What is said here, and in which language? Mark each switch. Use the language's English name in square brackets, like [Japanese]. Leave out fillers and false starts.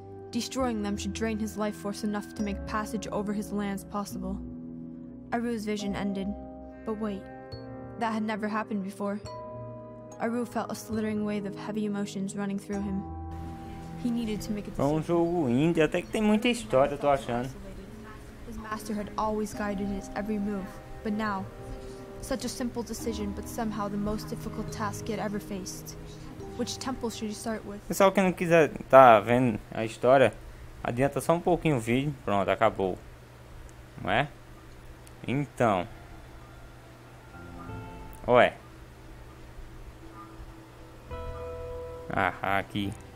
[English] Destroying them should drain his life force enough to make passage over his lands possible. Aryl's vision ended, but wait, that had never happened before. Aryl felt a slithering wave of heavy emotions running through him. He needed to make a decision. [Portuguese] É um jogo indie, até que tem muita história, tô achando. [English] His master had always guided his every move, but now, such a simple decision, but somehow the most difficult task he had ever faced. Which temple should you start with? [Portuguese] Pessoal que não quiser tá vendo a história, adianta só um pouquinho o vídeo, pronto, acabou. Não é? Então. Ué. Ah, aqui.